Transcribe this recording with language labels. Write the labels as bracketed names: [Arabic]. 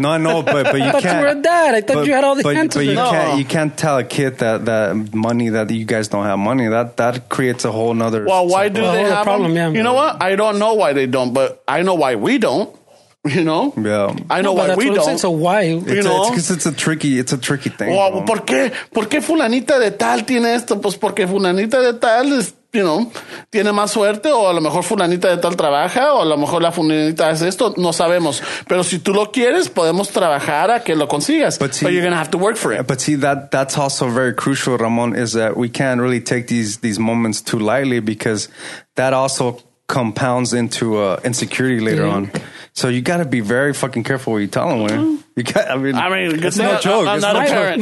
[English] No, I know, but you can't. I thought you were a dad. I thought you had all the answers. But you can't tell a kid that money, that you guys don't have money. That creates a whole nother. Well, why do they have a problem? Yeah, you know what? I don't know why they don't, but I know why we don't. You know? Yeah. I know why we don't. So why? You know? Because it's a tricky thing. Well, [Spanish] ¿por qué fulanita de tal tiene esto? Pues porque fulanita de tal es, tiene más suerte, o a lo mejor fulanita de tal trabaja, o a lo mejor la fulanita hace esto, no sabemos. Pero si tú lo quieres, podemos trabajar a que lo consigas. [English] But you're going to have to work for it. But see, that's also very crucial, Ramon, is that we can't really take these moments too lightly, because that also compounds into insecurity later on. So you got to be very fucking careful what you tell them. Mm-hmm. I mean, it's not a joke. I'm not a parent.